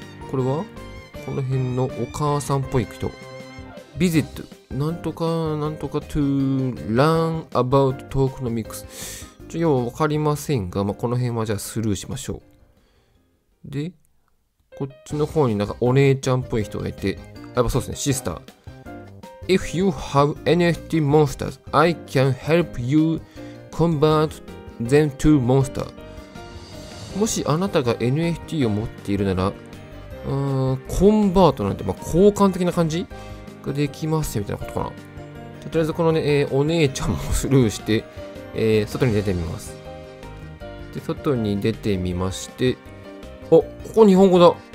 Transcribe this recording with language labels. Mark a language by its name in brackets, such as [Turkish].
[Japanese] これはこの辺のお母さんっぽい人。Visit. なんとか、なんとか [English] to learn about tokenomics。 [Japanese] ちょっとよう分かりませんが、まあ、この辺はじゃあスルーしましょう。で、こっちの方になんかお姉ちゃんっぽい人がいて、あ、やっぱそうですね、シスター。 [English] If you have NFT monsters, I can help you convert them to monsters. [Japanese] もしあなたが NFT を持っているなら、コンバートなんて、まあ、交換的な感じができますよみたいなことかな。とりあえずこのね、お姉ちゃんもスルーして、外に出てみます。で、外に出てみまして、あ、ここ日本語だ。